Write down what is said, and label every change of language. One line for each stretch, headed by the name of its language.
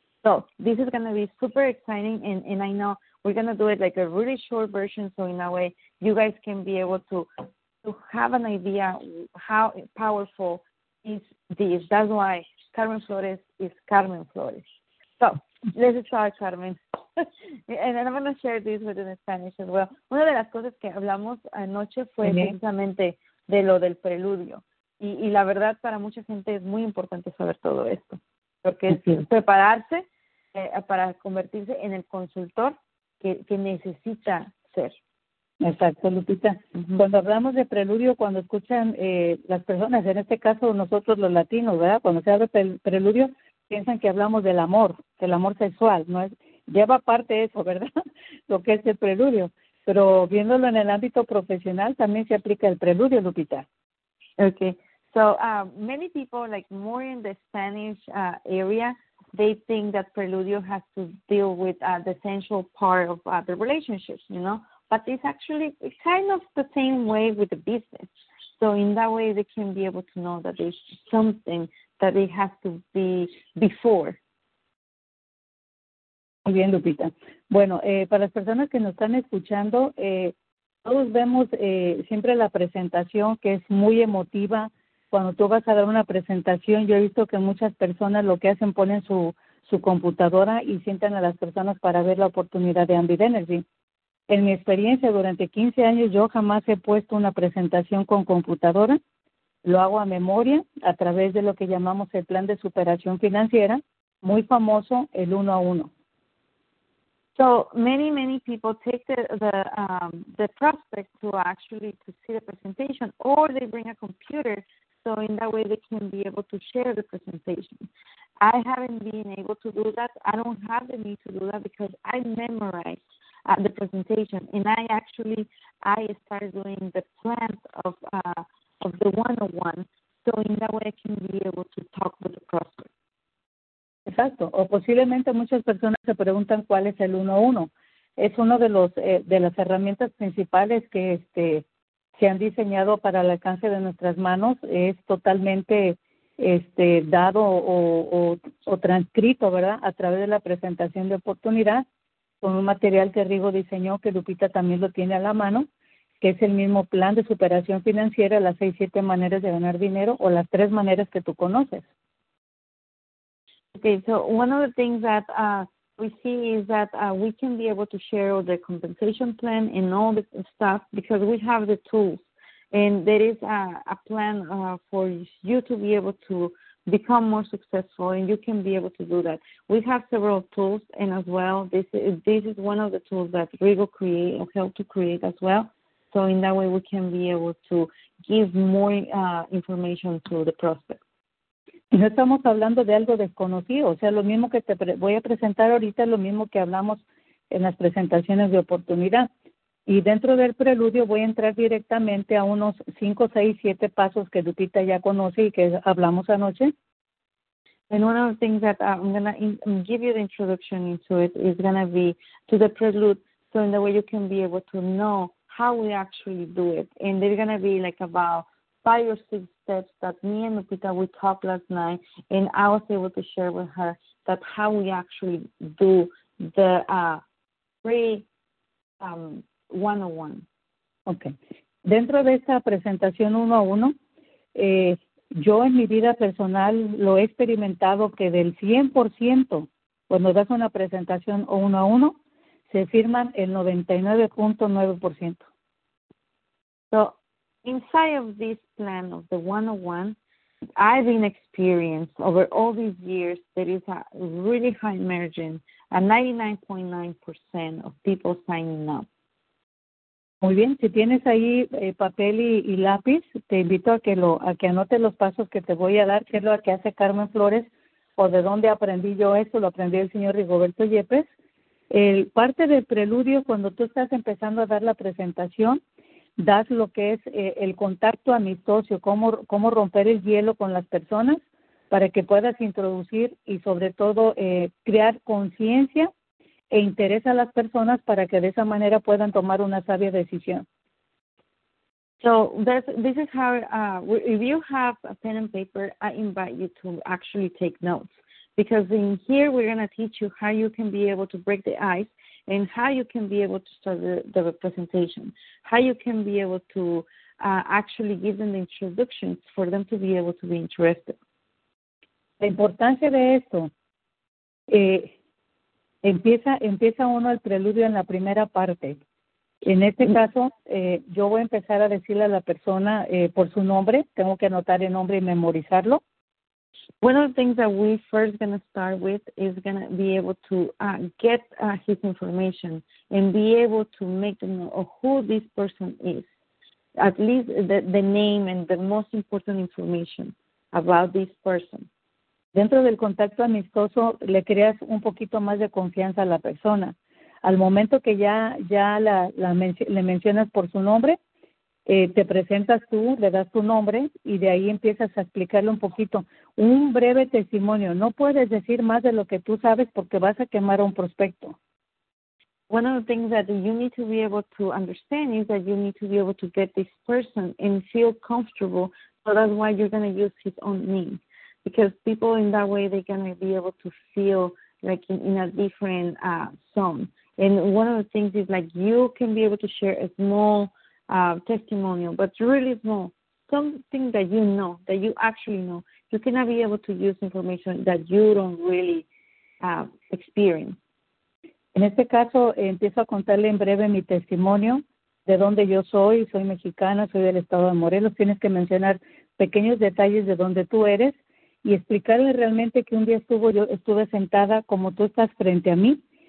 English: So this is going to be super exciting, and I know we're going to do it like a really short version, so in a way you guys can be able to have an idea how powerful is this. That's why Carmen Flores is Carmen Flores. So let's try, Carmen. And I'm going to share this with in Spanish as well.
Spanish: Una de las cosas que hablamos anoche fue precisamente de lo del preludio. Y la verdad, para mucha gente es muy importante saber todo esto. Porque es prepararse para convertirse en el consultor que necesita ser. Exacto, Lupita. Uh-huh. Cuando hablamos de preludio, cuando escuchan las personas, en este caso nosotros los latinos, ¿verdad? Cuando se habla de preludio, piensan que hablamos del amor sexual, ¿no? Lleva parte eso, ¿verdad? Lo que es el preludio. Pero viéndolo en el ámbito profesional, también se aplica el preludio, Lupita. Okay.
English: So many people, like more in the Spanish area, they think that preludio has to deal with the sensual part of the relationships, you know? But it's actually kind of the same way with the business. So in that way, they can be able to know that there's something that it has to be before.
Spanish: Muy bien, Lupita. Bueno, para las personas que nos están escuchando, todos vemos siempre la presentación, que es muy emotiva. Cuando tú vas a dar una presentación, yo he visto que muchas personas lo que hacen, ponen su computadora y sientan a las personas para ver la oportunidad de Ambit Energy. En mi experiencia, durante 15 años, yo jamás he puesto una presentación con computadora. Lo hago a memoria a través de lo que llamamos el plan de superación financiera, muy famoso, el 1-1.
English: So many people take the prospect to actually to see the presentation, or they bring a computer so in that way they can be able to share the presentation. I haven't been able to do that. I don't have the need to do that because I memorize the presentation, and I started doing the plans of the 101, so in that way I can be able to talk with the prospect.
Spanish: Exacto, o posiblemente muchas personas se preguntan cuál es el 1-1. Es uno de los de las herramientas principales que se han diseñado para el alcance de nuestras manos. Es totalmente dado o transcrito, ¿verdad?, a través de la presentación de oportunidad, con un material que Rigo diseñó, que Lupita también lo tiene a la mano, que es el mismo plan de superación financiera, las 6-7 maneras de ganar dinero, o las 3 maneras que tú conoces.
English: Okay, so one of the things that we see is that we can be able to share the compensation plan and all the stuff because we have the tools, and there is a plan for you to be able to become more successful, and you can be able to do that. We have several tools, and as well, this is one of the tools that Rigo create or helped to create as well. So in that way, we can be able to give more information to the prospect.
Spanish: Y no estamos hablando de algo desconocido, o sea, lo mismo que te voy a presentar ahorita es lo mismo que hablamos en las presentaciones de oportunidad. Y dentro del preludio voy a entrar directamente a unos 5, 6, 7 pasos que Lupita ya conoce y que hablamos anoche.
English: And one of the things that I'm going to give you the introduction into it is going to be to the prelude, so in the way you can be able to know how we actually do it. And they're going to be like about 5 or 6 steps that me and Lupita, we talked last night, and I was able to share with her that how we actually do the pre-101. Okay.
Spanish: Dentro de esta presentación 1-1, yo en mi vida personal lo he experimentado que del 100%, cuando das una presentación 1-1, se firman el 99.9%.
English: So, inside of this plan of the 101, I've been experienced over all these years, there is a really high margin, a 99.9% of people signing up.
Spanish: Muy bien, si tienes ahí papel y lápiz, te invito a que anotes los pasos que te voy a dar, que es lo que hace Carmen Flores, o de dónde aprendí yo eso, lo aprendí el señor Rigoberto Yepes. Parte del preludio, cuando tú estás empezando a dar la presentación, das lo que es el contacto amistoso, cómo romper el hielo con las personas para que puedas introducir y sobre todo crear conciencia e interés a las personas para que de esa manera puedan tomar una sabia decisión.
English: So this is how, if you have a pen and paper, I invite you to actually take notes. Because in here we're going to teach you how you can be able to break the ice and how you can be able to start the presentation, how you can be able to actually give them the introductions for them to be able to be interested.
Spanish: La importancia de esto empieza uno el preludio en la primera parte. En este caso, yo voy a empezar a decirle a la persona por su nombre. Tengo que anotar el nombre y memorizarlo.
English: One of the things that we first going to start with is going to be able to get his information and be able to make them know who this person is, at least the name and the most important information about this person.
Spanish: Dentro del contacto amistoso, le creas un poquito más de confianza a la persona. Al momento que le mencionas por su nombre, te presentas tú, le das tu nombre y de ahí empiezas a explicarle un poquito. Un breve testimonio. No puedes decir más de lo que tú sabes porque vas a quemar a un prospecto.
English: One of the things that you need to be able to understand is that you need to be able to get this person and feel comfortable. So that's why you're going to use his own name. Because people in that way, they're going to be able to feel like in a different zone. And one of the things is like you can be able to share a small testimonial, but really small, something that you know, that you actually know. You cannot be able to use information that you don't really experience.
Spanish: En este caso, empiezo a contarle en breve mi testimonio, de dónde yo soy. Soy mexicana, soy del estado de Morelos. Tienes que mencionar pequeños detalles de dónde tú eres y explicarle realmente que un día estuve sentada como tú estás frente a mí.